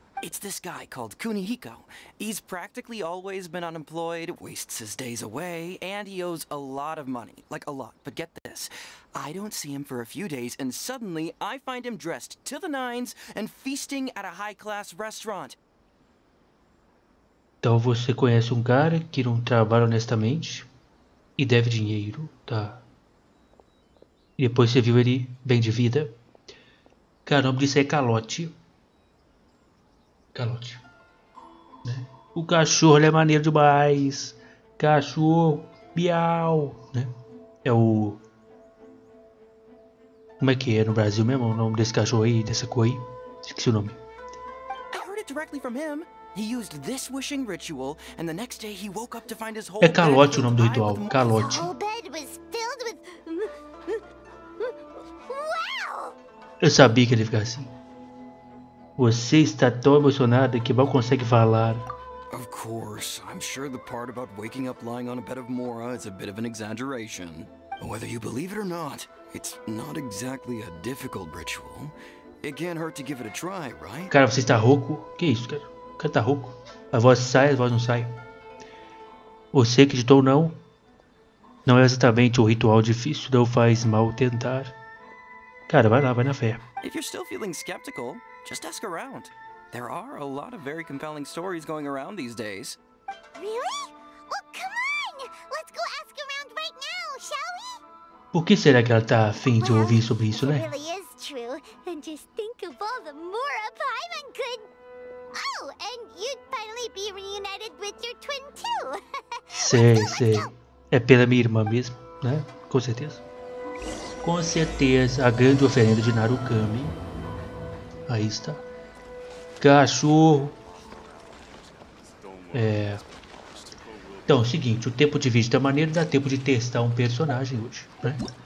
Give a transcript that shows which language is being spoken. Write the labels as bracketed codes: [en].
[en] It's this guy called Kunihiko. He's practically always been unemployed, wastes his days away, and he owes a lot of money. Like, a lot. But get this. I don't see him for a few days, and suddenly I find him dressed to the nines and feasting at a high-class restaurant. [pt] Então você conhece cara que não trabalha honestamente e deve dinheiro, tá? E depois você viu ele bem de vida. Cara, o nome disso é calote. Calote. Né? O cachorro, ele é maneiro demais. Cachorro, miau, né? É o... Como é que é no Brasil mesmo o nome desse cachorro aí, dessa cor aí? Esqueci o nome. Eu ouvi diretamente dele. [en] He used this wishing ritual, and the next day he woke up to find his whole [pt] bed. É calote o nome do ritual, calote. [en] His whole bed was filled with. Wow! [pt] Eu sabia que ele ia ficar assim. Você está tão emocionada que mal consegue falar. [en] Of course, I'm sure the part about waking up lying on a bed of mora is a bit of an exaggeration. Whether you believe it or not, it's not exactly a difficult ritual. It can't hurt to give it a try, right? [pt] Cara, você está rouco? Que isso, cara? O cara tá rouco. A voz sai, a voz não sai. Você acreditou ou não? Não é exatamente um ritual difícil, não faz mal tentar. Cara, vai lá, vai na fé. [en] If you're still feeling skeptical, just ask around. There are a lot of very compelling stories going around these days. Really? Well, come on! Let's go ask around right now, shall we? [pt] Por que será que ela tá afim de ouvir sobre isso, né? [en] Well, it really is true. And just think of all the more of Paimon could... Oh, and you'd finally be reunited with your twin too. [pt] Sei. É pela minha irmã mesmo, né? Com certeza. Com certeza, a grande oferenda de Narukami. Aí está. Cachorro. É. Então, é o seguinte, o tempo de vídeo tá maneiro, dá tempo de testar um personagem hoje, né?